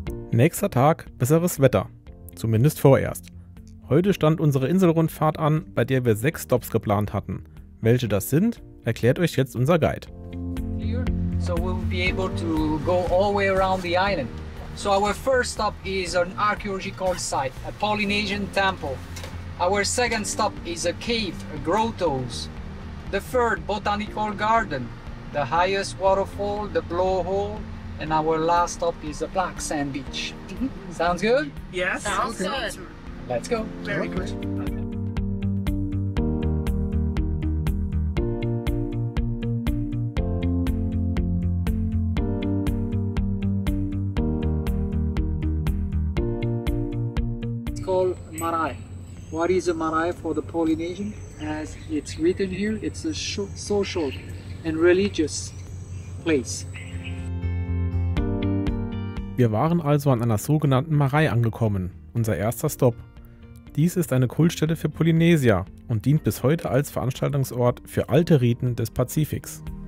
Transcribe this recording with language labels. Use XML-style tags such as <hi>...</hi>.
<de>Nächster Tag, besseres Wetter. Zumindest vorerst. Heute stand unsere Inselrundfahrt an, bei der wir 6 Stops geplant hatten. Welche das sind, erklärt euch jetzt unser Guide.</de> <en>So we'll be able to go all the way around the island. So our first stop is an archaeological site, a Polynesian temple. Our second stop is a cave, a grotto. The third, botanical garden, the highest waterfall, the blowhole. And our last stop is the Black Sand Beach. Sounds good? Yes. Sounds good. Let's go. Very good. It's called marae. What is a marae for the Polynesian? As it's written here, it's a social and religious place.</en> <de>Wir waren also an einer sogenannten Marae angekommen, unser erster Stopp. Dies ist eine Kultstätte für Polynesier und dient bis heute als Veranstaltungsort für alte Riten des Pazifiks.</de>